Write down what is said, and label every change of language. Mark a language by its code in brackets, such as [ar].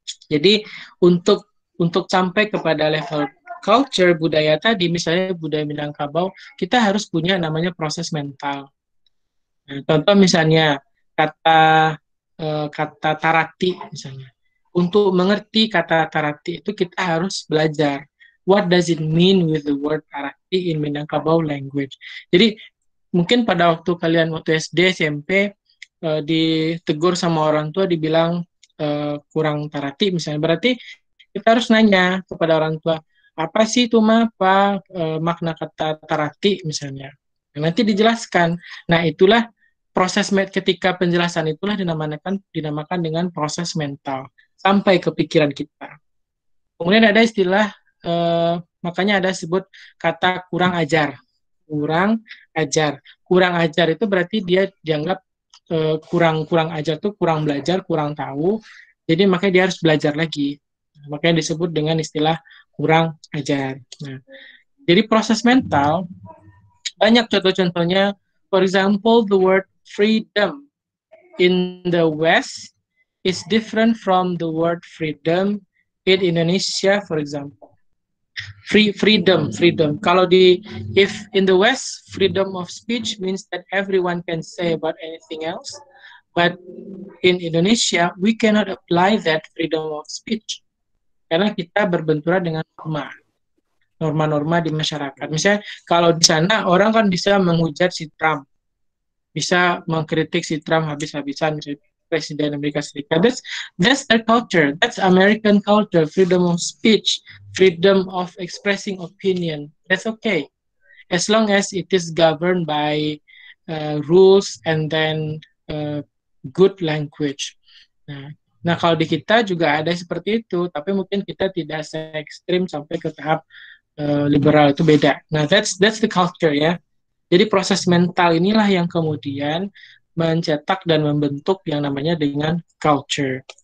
[id] Jadi untuk sampai kepada level culture budaya tadi, misalnya budaya Minangkabau, kita harus punya namanya proses mental. Nah, contoh misalnya kata tarati misalnya. Untuk mengerti kata tarati itu kita harus belajar. [en] What does it mean with the word tarati in Minangkabau language? [id] Jadi mungkin pada waktu kalian waktu SD, SMP, ditegur sama orang tua, dibilang kurang tarati misalnya. Berarti kita harus nanya kepada orang tua, apa sih itu makna kata tarati misalnya. Nah, nanti dijelaskan. Nah, itulah proses ketika penjelasan itulah dinamakan dengan proses mental. Sampai ke pikiran kita. Kemudian ada istilah, makanya ada sebut kata kurang ajar. Kurang ajar. Kurang ajar itu berarti dia dianggap kurang ajar itu kurang belajar, kurang tahu. Jadi makanya dia harus belajar lagi. Makanya disebut dengan istilah kurang ajar. Nah, jadi proses mental, banyak contoh-contohnya. [en] For example, the word freedom in the West is different from the word freedom in Indonesia, for example. freedom. [id] Kalau di [en] if in the West, freedom of speech means that everyone can say about anything else. But in Indonesia, we cannot apply that freedom of speech [id] karena kita berbenturan dengan norma-norma di masyarakat. Misalnya kalau di sana orang kan bisa menghujat si Trump, bisa mengkritik si Trump habis-habisan, presiden Amerika Serikat. [en] That's their culture. That's American culture. Freedom of speech, freedom of expressing opinion. That's okay, as long as it is governed by rules and then good language. [id] Nah, kalau di kita juga ada seperti itu, tapi mungkin kita tidak se-ekstrim sampai ke tahap liberal, itu beda. Nah, [en] that's the culture [id] ya. Jadi proses mental inilah yang kemudian mencetak dan membentuk yang namanya dengan culture.